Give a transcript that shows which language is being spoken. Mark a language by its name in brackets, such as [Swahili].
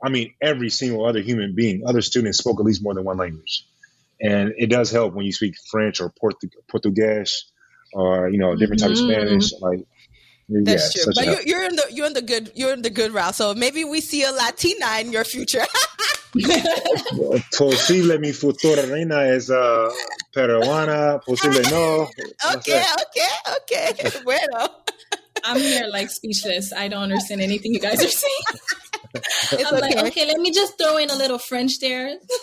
[English] I mean, every single other human being, other students spoke at least more than one language. And it does help when you speak French or Portuguese or, you know, a different type of Spanish. Like, that's true, but you're in the good route. So maybe we see a Latina in your future. [Spanish] Posible mi futura reina es peruana. Posible no. Okay. Bueno, [English] I'm here like speechless. I don't understand anything you guys are saying. I'm like, okay, let me just throw in a little French there.